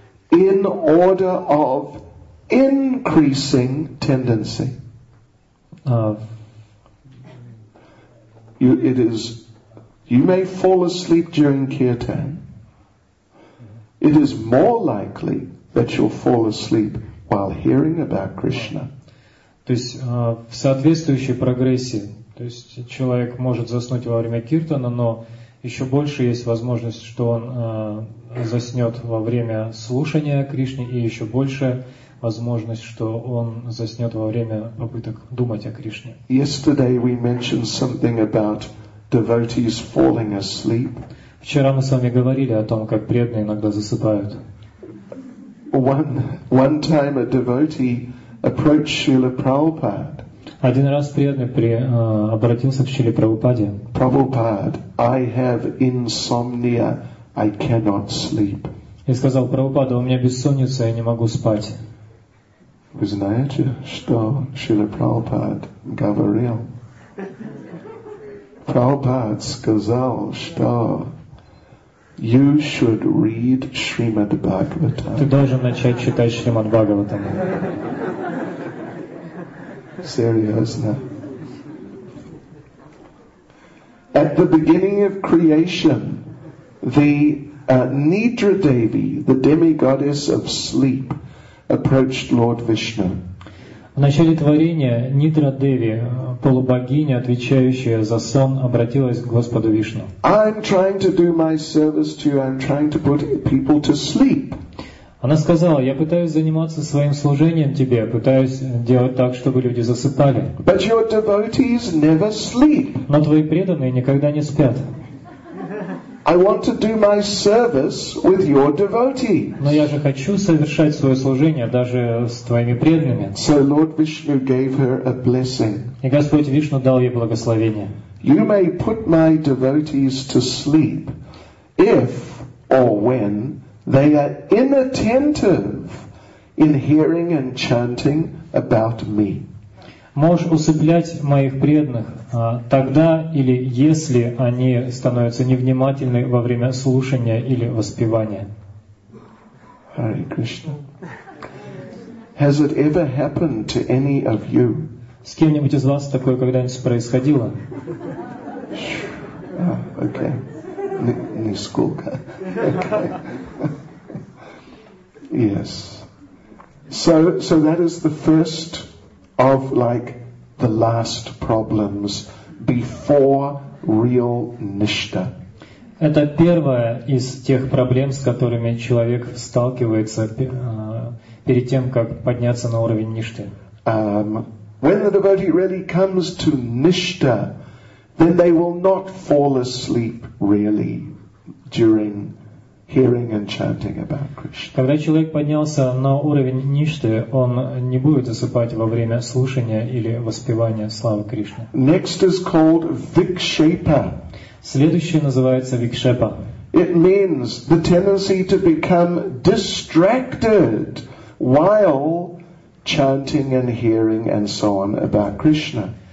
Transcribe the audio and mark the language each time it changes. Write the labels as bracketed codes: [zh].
[en] In order of increasing tendency. You may fall asleep during kirtan. It is more likely that you'll fall asleep while hearing about Krishna. [ru] То есть в соответствующей прогрессии, то есть человек может заснуть во время киртана, но еще больше есть возможность, что он заснет во время слушания о Кришне, и еще больше возможность, что он заснет во время попыток думать о Кришне. [en] Yesterday we mentioned something about devotees falling asleep. [ru] Вчера мы с вами говорили о том, как преданные иногда засыпают. [en] One time a devotee approached Srila Prabhupada. [ru] Один раз преданный обратился к Шриле Прабхупаде. [en] Prabhupada, I have insomnia, I cannot sleep. [ru] И сказал: Прабхупада, у меня бессонница, я не могу спать. Вы знаете, что Шрила Прабхупад говорил? Прабхупад сказал, что [en] you should read Srimad Bhagavatam. [ru] Ты должен начать читать Шримад Бхагаватам. Серьезно. [en] At the beginning of creation, the Nidra Devi, the demigoddess of sleep, approached Lord Vishnu. [ru] В начале творения Нидра Деви, полубогиня, отвечающая за сон, обратилась к Господу Вишну. [en] I'm trying to do my service to you. I'm trying to put people to sleep. [ru] Она сказала: я пытаюсь заниматься своим служением тебе, пытаюсь делать так, чтобы люди засыпали. [en] But your devotees never sleep. [ru] Но твои преданные никогда не спят. [en] I want to do my service with your devotees. [ru] Но я же хочу совершать свое служение даже с твоими преданными. [en] So Lord Vishnu gave her a blessing. [ru] И Господь Вишну дал ей благословение. [en] You may put my devotees to sleep if or when they are inattentive in hearing and chanting about me. [ru] Можешь усыплять моих преданных тогда или если они становятся невнимательны во время слушания или воспевания. [en] Hare Krishna. Has it ever happened to any of you? [ru] С кем-нибудь из вас такое когда-нибудь происходило? [en] Okay. [ru] Нисколько. [en] Okay. Yes. So that is the first of like the last problems before real nishta. [ru] Это первая из тех проблем, с которыми человек сталкивается перед тем, как подняться на уровень ништы. [en] When the devotee really comes to nishta, then they will not fall asleep really during hearing and chanting about Krishna. [ru] Когда человек поднялся на уровень ништы, он не будет засыпать во время слушания или воспевания славы Кришны. [en] Next is called vikshepa. [ru] Следующее называется викшепа. [en] It means the tendency to become distracted while chanting and hearing and so on about Krishna.